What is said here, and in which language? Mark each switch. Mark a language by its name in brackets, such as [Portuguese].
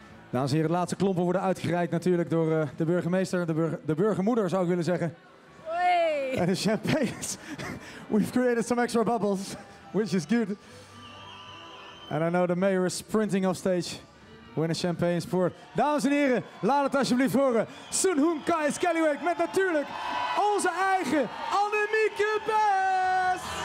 [Dutch] Dames en heren, de laatste klompen worden uitgereikt natuurlijk door de burgemeester, de burgermoeder zou ik willen zeggen. En de champagne. [English] We've created some extra bubbles, which is good. And I know the mayor is sprinting off stage when the champagne is poured. [Dutch] Dames en heren, laat het alsjeblieft horen. Sun Hung Kai Scallywag met natuurlijk onze eigen Annemieke Best.